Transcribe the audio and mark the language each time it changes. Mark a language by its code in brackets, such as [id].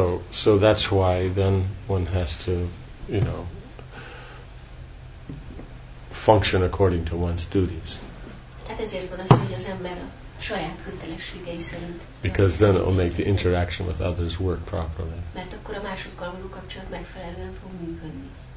[en] So that's why then one has to, you know, function according to one's duties. [hu] Tehát ezért van az, hogy az ember saját kötelességei szerint. [en] Because then it will make the interaction with others work properly. [hu] Mert akkor a másokkal való kapcsolat megfelelően fog működni.